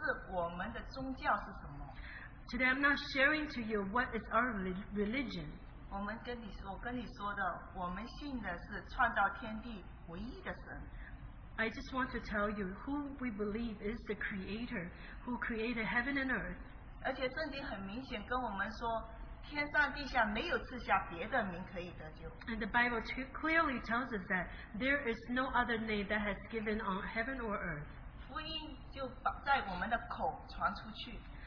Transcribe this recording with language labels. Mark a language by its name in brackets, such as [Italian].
[Chinese] 我今天跟你们分享的不是我们的宗教是什么。 [English] Today I'm not sharing to you what is our religion. [Chinese] 我跟你说的,我们信的是创造天地唯一的神。 [English] I just want to tell you who we believe is the creator who created heaven and earth. [Chinese] 而且圣经很明显跟我们说,天上地下没有赐下别的名可以得救。 [English] And the Bible clearly tells us that there is no other name that has given on heaven or earth. [Chinese] 福音就在我们的口传出去。